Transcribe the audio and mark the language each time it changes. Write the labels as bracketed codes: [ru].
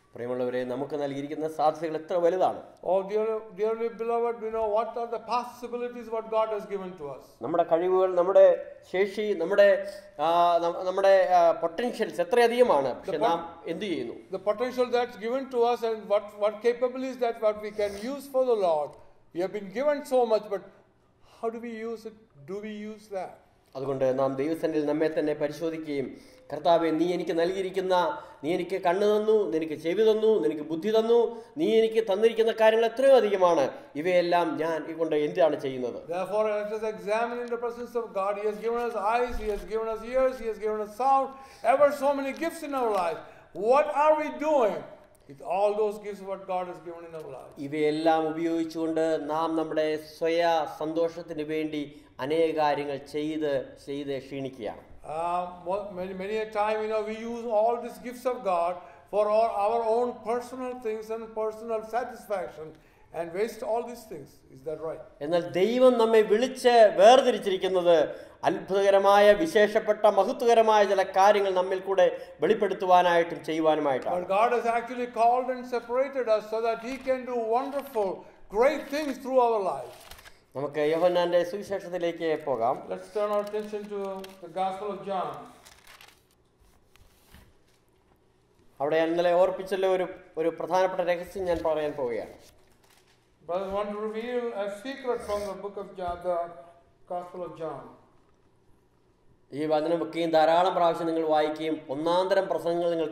[ml] പ്രിയമുള്ളവരെ, നമുക്ക് നൽകിയിരിക്കുന്ന സാധ്യതകൾ എത്ര വലുതാണ്. [en] Oh dearly beloved, we know what are the possibilities what God has given to us. [ml] നമ്മുടെ കഴിവുകൾ, നമ്മുടെ ശേഷി, നമ്മുടെ നമ്മുടെ പൊട്ടൻഷ്യൽസ് എത്ര അധികമാണ്. പക്ഷേ നാം എന്ത് ചെയ്യുന്നു? [en] The potential that's given to us and what capabilities that what we can use for the Lord. We have been given so much, but how do we use it? Do we use that? [ml] അതുകൊണ്ട് നാം ദൈവസന്നിധിയിൽ നമ്മെ തന്നെ പരിശോധിക്കുകയും, കർത്താവേ, നീ എനിക്ക് നൽകിയിരിക്കുന്ന, നീ എനിക്ക് കണ്ണു തന്നു, നിനക്ക് ചെവി തന്നു, നിനക്ക് ബുദ്ധി തന്നു, നീ എനിക്ക് തന്നിരിക്കുന്ന കാര്യങ്ങൾ എത്രയോ അധികമാണ്, ഇവയെല്ലാം ഞാൻ ഇതുകൊണ്ട് എന്താണ് ചെയ്യുന്നത്? [en] Therefore, let us examine in the presence of God. He has given us eyes, he has given us ears, he has given us sound, ever so many gifts in our life. What are we doing with all those gifts what God has given in our life? [ml] ഇവയെല്ലാം ഉപയോഗിച്ചുകൊണ്ട് നാം നമ്മുടെ സ്വയ സന്തോഷത്തിന് വേണ്ടി അനേക കാര്യങ്ങൾ ചെയ്ത് ക്ഷീണിക്കുകയാണ്. [en] Many a time, you know, we use all these gifts of God for our own personal things and personal satisfaction and waste all these things. Is that right? [ml] എന്നാൽ ദൈവം നമ്മെ വിളിച്ച് വേർതിരിച്ചിരിക്കുന്നത് അത്ഭുതകരമായ, വിശേഷപ്പെട്ട, മഹത്വകരമായ ചില കാര്യങ്ങൾ നമ്മിൽ കൂടെ വെളിപ്പെടുത്തുവാനായിട്ടും ചെയ്യുവാനുമായിട്ടാണ്. [en] But God has actually called and separated us so that he can do wonderful great things through our lives. [ml] നമുക്ക് യോഹന്നാന്റെ സുവിശേഷത്തിലേക്ക് പോകാം. [en] Let's turn our attention to the Gospel of John. [ml] അവിടെ ഇന്നലെ ഓർപ്പിച്ചല്ലോ ഒരു ഒരു പ്രധാനപ്പെട്ട രഹസ്യം ഞാൻ പറയാൻ പോവുകയാണ്. [en] Brother, I want to reveal a secret from the book of John, the Gospel of John. [ml] ഈ വചനം ഒക്കെയും ധാരാളം പ്രാവശ്യം നിങ്ങൾ വായിക്കുകയും ഒന്നാന്തരം പ്രസംഗങ്ങൾ നിങ്ങൾ